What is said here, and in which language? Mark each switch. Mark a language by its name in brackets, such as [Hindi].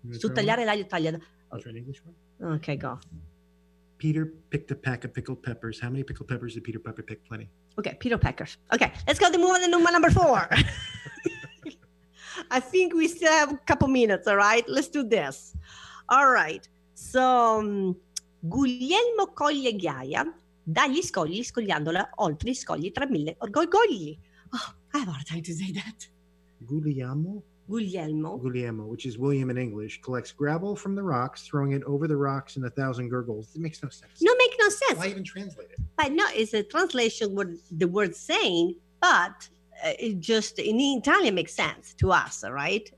[Italian] So tagliare, l'aglio, taglia. [English] Okay. Okay, go. Peter picked a pack of pickled peppers. How many pickled peppers did Peter Pepper pick? Plenty. Okay, Peter Peckers. Okay, let's go to move on to number four. I think we still have a couple minutes, all right? Let's do this. All right. [Italian] So, Guglielmo coglie ghiaia dagli scogli scogliandola oltre I scogli tra mille orgogogli. [English] Oh, I have a hard time to say that. [Italian] Guglielmo. [English] Guglielmo, which is William in English, collects gravel from the rocks, throwing it over the rocks in a thousand gurgles. It makes no sense. No, make no sense. Why even translate it? But no, it's a translation of the word saying, but it just in Italian makes sense to us, right?